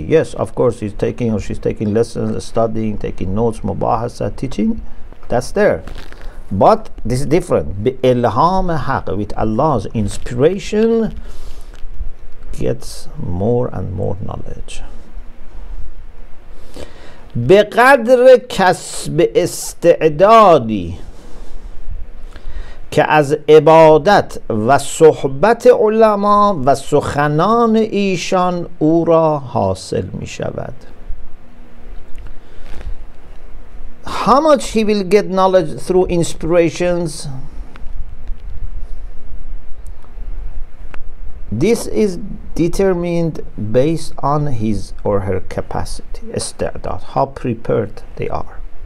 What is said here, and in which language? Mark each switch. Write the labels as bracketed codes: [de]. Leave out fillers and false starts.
[en] Yes, of course, he's taking or she's taking lessons, studying, taking notes, mubahasa, teaching. That's there. But this is different. [ar] Bi-ilham haq, [en] with Allah's inspiration, gets more and more knowledge. [ar] Biqadr kasb isti'dadi [fa] که از عبادت و صحبت علما و سخنان ایشان او را حاصل می شود. [en] How much he will get knowledge through inspirations? This is determined based on his or her capacity, استعداد, how prepared they are.